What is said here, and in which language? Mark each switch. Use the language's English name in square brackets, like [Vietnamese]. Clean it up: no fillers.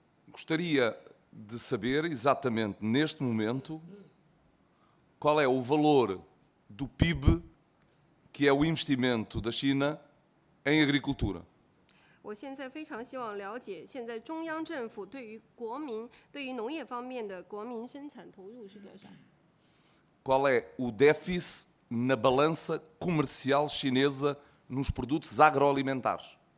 [Portuguese] Gostaria de saber exatamente neste momento qual é o valor do PIB que é o investimento da China em agricultura. [Chinese] 我现在非常希望了解现在中央政府对于国民、对于农业方面的国民生产投入是多少。 [Portuguese] Qual é o déficit na balança comercial chinesa nos produtos agroalimentares?